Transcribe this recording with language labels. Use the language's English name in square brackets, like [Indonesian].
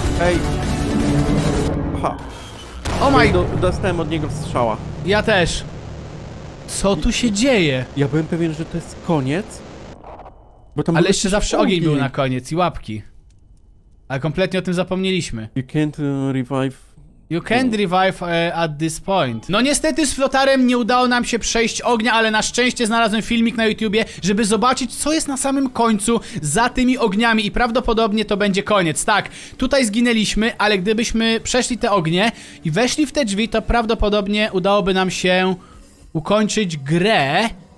[Polish] Ej. Aha. [English] Oh my... [Polish] Dostałem od niego strzała. Ja też. Co tu się dzieje? Ja byłem pewien, że to jest koniec. Bo tam. Ale jeszcze zawsze ogień był na koniec i łapki. Ale kompletnie o tym zapomnieliśmy. [English] You can't revive You can't revive at this point. [Polish] No niestety z flotarem nie udało nam się przejść ognia, ale na szczęście znalazłem filmik na YouTubie, żeby zobaczyć, co jest na samym końcu za tymi ogniami i prawdopodobnie to będzie koniec. Tak, tutaj zginęliśmy, ale gdybyśmy przeszli te ognie i weszli w te drzwi, to prawdopodobnie udałoby nam się ukończyć grę.